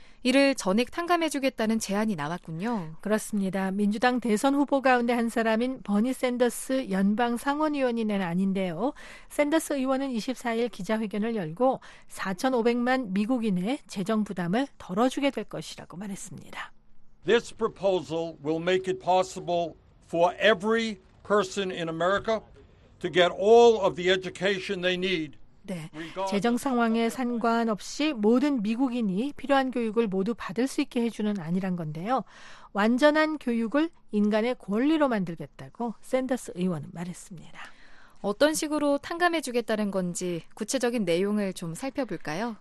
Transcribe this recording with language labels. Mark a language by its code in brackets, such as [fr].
[ko] 이를 전액 탕감해주겠다는 제안이 나왔군요. 그렇습니다. 민주당 대선 후보 가운데 한 사람인 버니 샌더스 연방 상원의원이 낸 안인데요. 샌더스 의원은 24일 기자회견을 열고 4,500만 미국인의 재정 부담을 덜어주게 될 것이라고 말했습니다. [en] This proposal will make it possible for every person in America to get all of the education they need. [ko] 네, 재정 상황에 상관없이 모든 미국인이 필요한 교육을 모두 받을 수 있게 해주는 안이란 건데요. 완전한 교육을 인간의 권리로 만들겠다고 샌더스 의원은 말했습니다. 어떤 식으로 탕감해주겠다는 건지 구체적인 내용을 좀 살펴볼까요?